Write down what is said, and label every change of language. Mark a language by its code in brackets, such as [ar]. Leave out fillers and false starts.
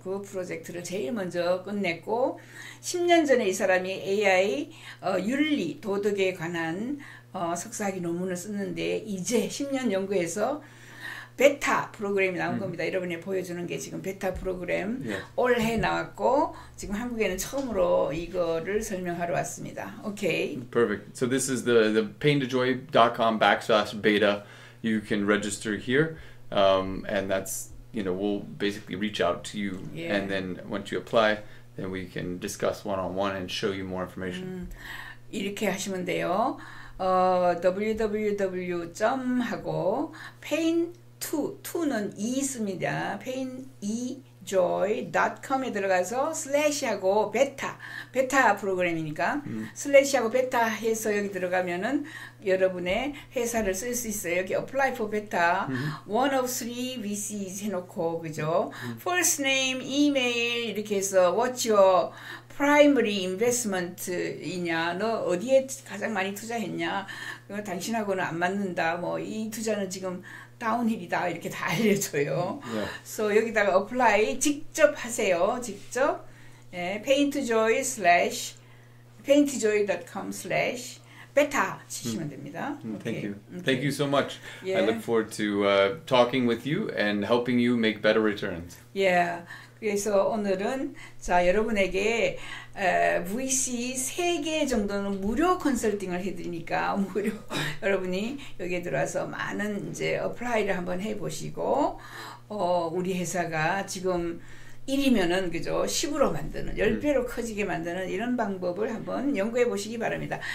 [ko] 그 프로젝트를 제일 먼저 끝냈고, 10년 전에 이 사람이 AI 윤리 도덕에 관한 석사학위 논문을 썼는데, 이제 10년 연구해서 베타 프로그램이 나온 겁니다. 여러분이 보여주는 게 지금 베타 프로그램. [en] Yes. [ko] 올해 나왔고 지금 한국에는 처음으로 이거를 설명하러 왔습니다. [en] Okay. Perfect. So this is the paintojoy.com/beta. You can register here, and that's, you know, we'll basically reach out to you. Yeah. And then once you apply, then we can discuss one-on-one and show you more information. [ko] 이렇게 하시면 돼요. www. 하고 paint2는 2 있습니다. paintejoy.com에 들어가서 슬래시하고 베타 프로그램이니까 슬래시하고 베타 해서 여기 들어가면은 여러분의 회사를 쓸 수 있어요. 여기 [en] apply for beta, one of three VCs [ko] 해놓고, 그죠? First name, email 이렇게 해서 [en] what's your primary investment [ko] 이냐, 너 어디에 가장 많이 투자했냐, 당신하고는 안 맞는다, 뭐 이 투자는 지금 다운힐이다, 이렇게 다 알려줘요. [en] Yeah. [ko] So 여기다가 apply 직접 하세요. 직접 예, paintjoy.com/beta 치시면 됩니다. [en] Thank you. Thank you so much. Yeah. I look forward to talking with you and helping you make better returns. Yeah. [ko] 그래서 오늘은 자 여러분에게 VC 3개 정도는 무료 컨설팅을 해드리니까 무료 여러분이 여기에 들어와서 많은 이제 어플라이를 한번 해보시고 우리 회사가 지금 1이면은 그죠 10으로 만드는 10배로 커지게 만드는 이런 방법을 한번 연구해 보시기 바랍니다.